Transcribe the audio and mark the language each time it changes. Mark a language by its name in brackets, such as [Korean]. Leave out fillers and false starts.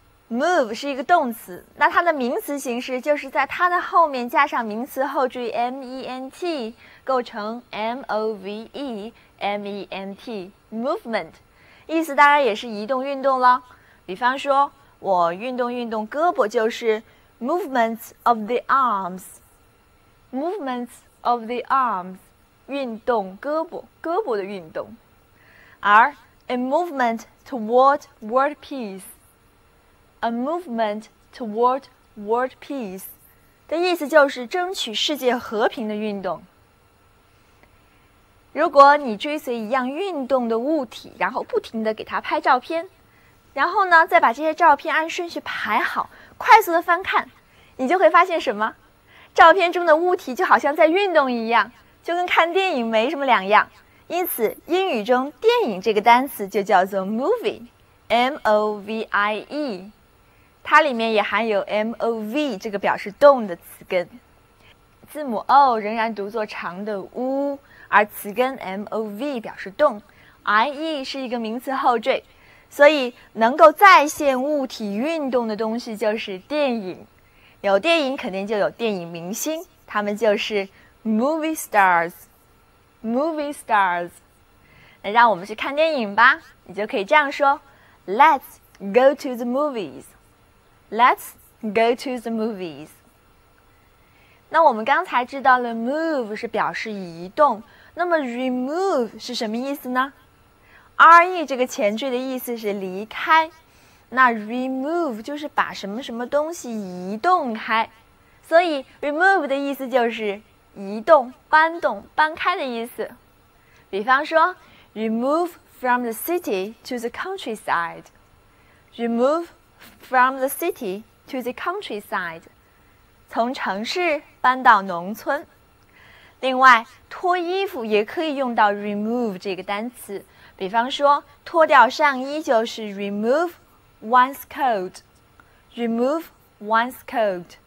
[Chinese] move 是一个动词，那它的名词形式就是在它的后面加上名词后缀 ment， 构成 move， ment， movement，意思当然也是移动运动了。比方说我运动运动胳膊就是 [English] movements of the arms， [Chinese] movements of the arms， 运动胳膊，胳膊的运动。 [English] 而 a movement toward world peace， a movement toward world peace [Chinese] 的意思就是争取世界和平的运动。如果你追随一样运动的物体，然后不停地给它拍照片，然后呢再把这些照片按顺序排好，快速地翻看，你就会发现什么？照片中的物体就好像在运动一样，就跟看电影没什么两样。因此英语中电影这个单词就叫做 movie， M-O-V-I-E， 它里面也含有 M-O-V 这个表示动的词根，字母 O 仍然读作长的 U，而词根 MOV 表示动， IE 是一个名词后缀，所以能够再现物体运动的东西就是电影。有电影肯定就有电影明星，他们就是 [English] movie stars， movie stars。 [Chinese] 那让我们去看电影吧，你就可以这样说， [English] Let's go to the movies， [Chinese] Let's go to the movies。那我们刚才知道了 move 是表示移动，那么 remove 是什么意思呢？ RE 这个前缀的意思是离开，那 remove 就是把什么什么东西移动开，所以 remove 的意思就是移动、搬动、搬开的意思。比方说 [English] remove from the city to the countryside， remove from the city to the countryside， [Chinese] 从城市搬到农村。另外脱衣服也可以用到 remove 这个单词，比方说脱掉上衣就是 [English] remove one's coat， remove one's coat。